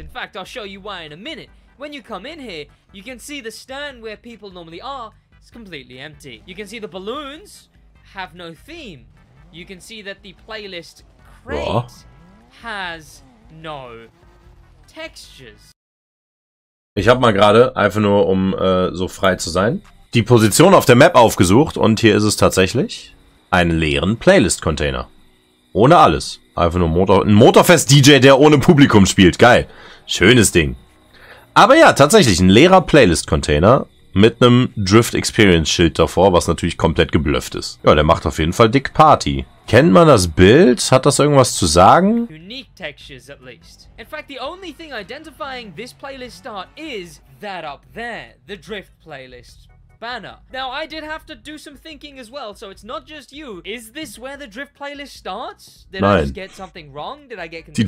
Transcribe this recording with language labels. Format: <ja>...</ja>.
<en>In fact, I'll show you why in a minute. When you come in here, you can see the stand where people normally are is completely empty. You can see the balloons have no theme. You can see that the playlist crate has no textures.</en> <de>Ich hab mal gerade einfach nur um so frei zu sein, die Position auf der Map aufgesucht und hier ist es tatsächlich. Einen leeren Playlist-Container. Ohne alles. Einfach nur ein Motorfest-DJ, der ohne Publikum spielt. Geil. Schönes Ding. Aber ja, tatsächlich, ein leerer Playlist-Container mit einem Drift-Experience-Schild davor, was natürlich komplett geblufft ist. Ja, der macht auf jeden Fall dick Party. Kennt man das Bild? Hat das irgendwas zu sagen?</de> <en>Unique textures at least. In fact, the only thing identifying this playlist start is that up there, the Drift playlist. Banner. Now I did have to do some thinking as well, so it's not just you. Is this where the drift playlist starts? Did I just get something wrong? Did I get confused?</en>